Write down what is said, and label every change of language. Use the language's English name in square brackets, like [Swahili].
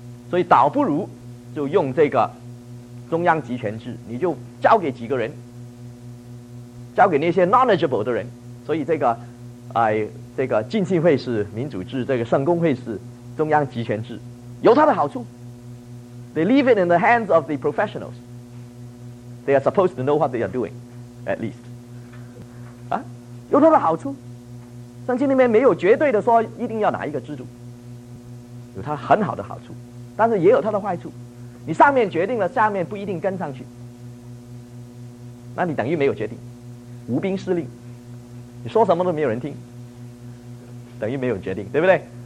[Chinese] 所以倒不如就用这个中央集权制，你就交给几个人，交给那些 knowledgeable 的人。所以这个这个浸信会是民主制，这个圣公会是中央集权制，有它的好处。 [English] They leave it in the hands of the professionals. They are supposed to know what they are doing, at least. [Chinese] 啊，有它的好处。圣经里面没有绝对的说一定要哪一个制度，有它很好的好处，但是也有它的坏处。你上面决定了，下面不一定跟上去，那你等于没有决定，无兵司令，你说什么都没有人听，等于没有决定，对不对？